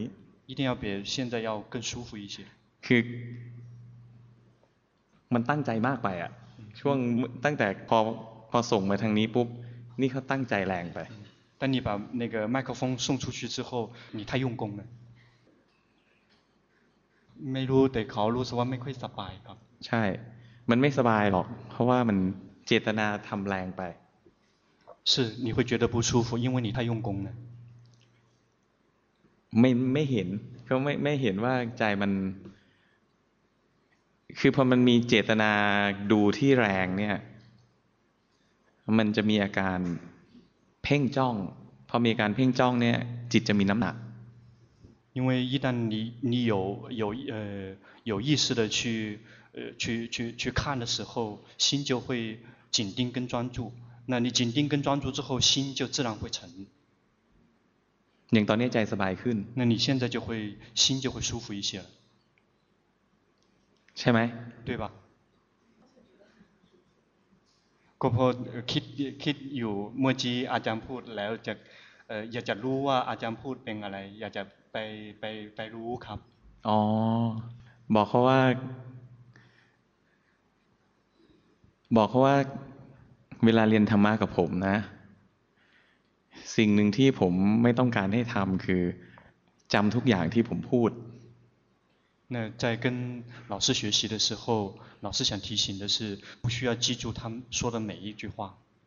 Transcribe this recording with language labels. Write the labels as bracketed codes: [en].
[zh] 一定要比现在要更舒服一些 [th] คือมันตั้งใจมากไปอะช่วงตั้งแต่พอส่งมาทางนี้ปุ๊บนี่เขาตั้งใจแรงไป แต่ [zh] 你把那个麦克风送出去之后你太用功了 [th] ไม่รู้แต่เขารู้สึกว่าไม่ค่อยสบายครับ ใช่มันไม่สบายหรอกเพราะว่ามันเจตนาทำแรงไป [zh] 是你会觉得不舒服因为你太用功了 [th] ไม่เห็นก็ไม่เห็นว่าใจมันคือพอมันมีเจตนาดูที่แรงเนี่ยมันจะมีอาการเพ่งจ้องพอมีการเพ่งจ้องเนี่ยจิตจะมีน้ำหนัก [zh] 因为一旦你有意识的去看的时候心就会紧盯跟专注那你紧盯跟专注之后心就自然会沉 [th] อย่างตอนนี้ใจสบายขึ้น [zh] 那你现在就会心就会舒服一些了 [th] ใช่ไหม [zh] 对吧 [th] ก็พอคิดอยู่เมื่อกี้อาจารย์พูดแล้วจะอยากจะรู้ว่าอาจารย์พูดเป็นอะไรอยากจะไปรู้ครับ อ๋อบอกเขาว่าเวลาเรียนธรรมะกับผมนะสิ่งหนึ่งที่ผมไม่ต้องการให้ทำคือจำทุกอย่างที่ผมพูด [zh] 那在跟老师学习的时候老师想提醒的是不需要记住他们说的每一句话